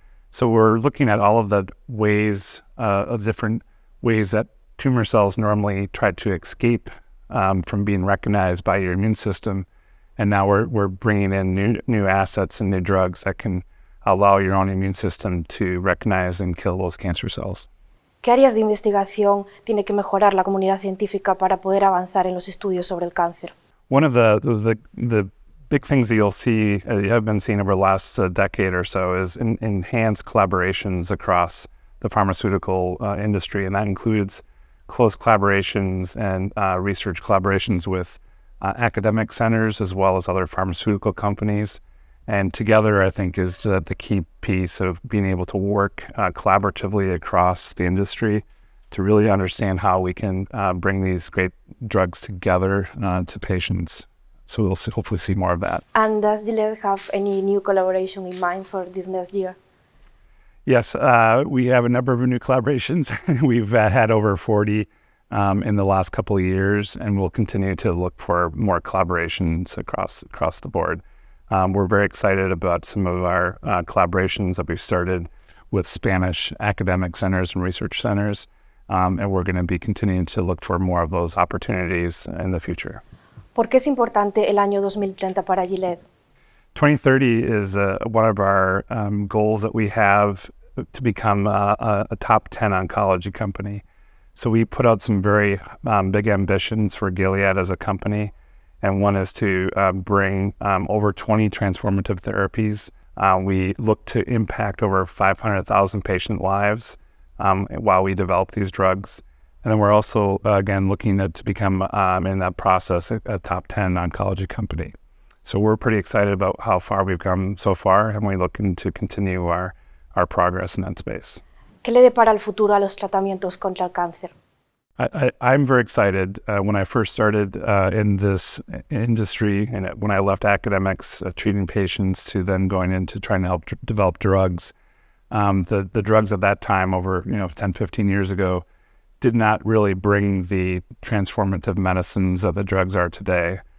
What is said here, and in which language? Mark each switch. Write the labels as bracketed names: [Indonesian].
[English] So we're looking at all of the ways, of different ways that tumor cells normally try to escape from being recognized by your immune system. And now we're bringing in new assets and new drugs that can allow your own immune system to recognize and kill those cancer cells. [Spanish] ¿Qué áreas de investigación tiene que mejorar la comunidad científica para poder avanzar en los estudios sobre el cáncer? [English] One of the big things that you'll see, you have been seeing over the last decade or so, is enhanced collaborations across the pharmaceutical industry, and that includes close collaborations and research collaborations with academic centers as well as other pharmaceutical companies. And together, I think, is the key piece of being able to work collaboratively across the industry to really understand how we can bring these great drugs together to patients. So we'll hopefully see more of that. And does Gilead have any new collaboration in mind for this next year? Yes, we have a number of new collaborations. We've had over 40 in the last couple of years, and we'll continue to look for more collaborations across the board. We're very excited about some of our collaborations that we've started with Spanish academic centers and research centers, and we're going to be continuing to look for more of those opportunities in the future. [Spanish] ¿Por qué es importante el año 2030 para Gilead? [English] 2030 is one of our goals that we have to become a top 10 oncology company. So we put out some very big ambitions for Gilead as a company. And one is to bring over 20 transformative therapies. We look to impact over 500,000 patient lives while we develop these drugs. And then we're also, again, looking to become, in that process, a top 10 oncology company. So we're pretty excited about how far we've come so far, and we're looking to continue our progress in that space. [Spanish] ¿Qué le depara el futuro a los tratamientos contra el cáncer? [English] I'm very excited. When I first started in this industry, and when I left academics treating patients to then going into trying to help develop drugs, the drugs at that time over 10, 15 years ago did not really bring the transformative medicines that the drugs are today.